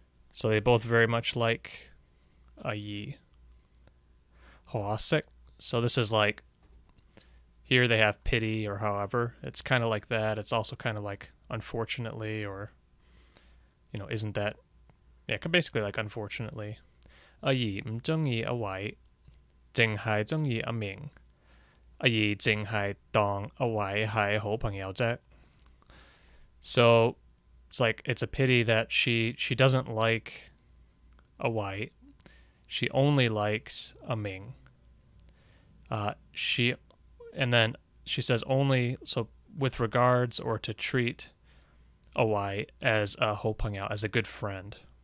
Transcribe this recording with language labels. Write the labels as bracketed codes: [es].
[en] So, they both very much like A Yi. Ho Sik. So, this is like, here they have pity, or however. It's kind of like that. It's also kind of like, unfortunately, or, you know, isn't that... yeah, basically, like, unfortunately. [yue] 阿姨唔中意阿伟，净系中意阿明。阿姨净系当阿伟系好朋友啫。 [en] So it's like it's a pity that she doesn't like a white. She only likes a Ming. So with regards or to treat a white as a ho peng yao, as a good friend.